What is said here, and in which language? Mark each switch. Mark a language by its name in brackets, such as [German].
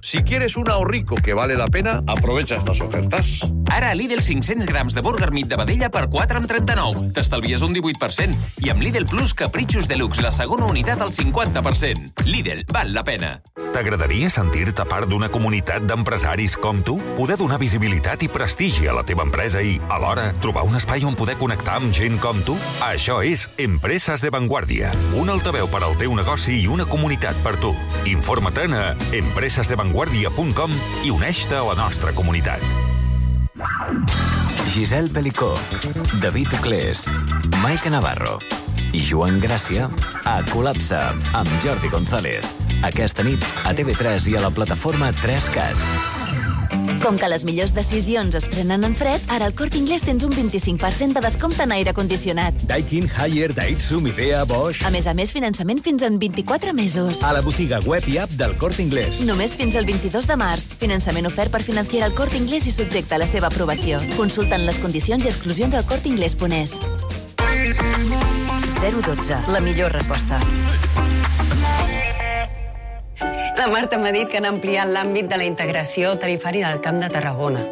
[Spanish] Si quieres un ahorrico que vale la pena, aprovecha estas ofertas. [Catalan] Ara a Lidl 500 grams de burger meat de vedella per 4,39. T'estalvies un 18%. I amb Lidl Plus Capritxos Deluxe, la segona unitat al 50%. Lidl, val la pena. T'agradaria sentir-te part d'una comunitat d'empresaris com tu? Poder donar visibilitat i prestigi a la teva empresa i, alhora, trobar un espai on poder connectar amb gent com tu? Això és Empreses de Vanguardia. Un altaveu per al teu negoci i una comunitat per tu. Informa-te'n a empresesdevanguardia.com i uneix-te a la nostra comunitat. Giselle Pellicó, David Clés, Maica Navarro i Joan Gràcia a Col·lapse amb Jordi González. Aquesta nit a TV3 i a la plataforma 3CAT. Com que les millors decisions es prenen en fred, ara al Corte Inglés tens un 25% de descompte en aire condicionat. Daikin, Haier, Daitsu, Midea, Bosch... A més, finançament fins en 24 mesos. A la botiga web i app del Corte Inglés. Només fins al 22 de març. Finançament ofert per financiar el Corte Inglés i subjecte a la seva aprovació. Consulta'n les condicions i exclusions al corteinglés.es. 012, la millor resposta. La Marta m'ha dit que han ampliat l'àmbit de la integració tarifària del Camp de Tarragona.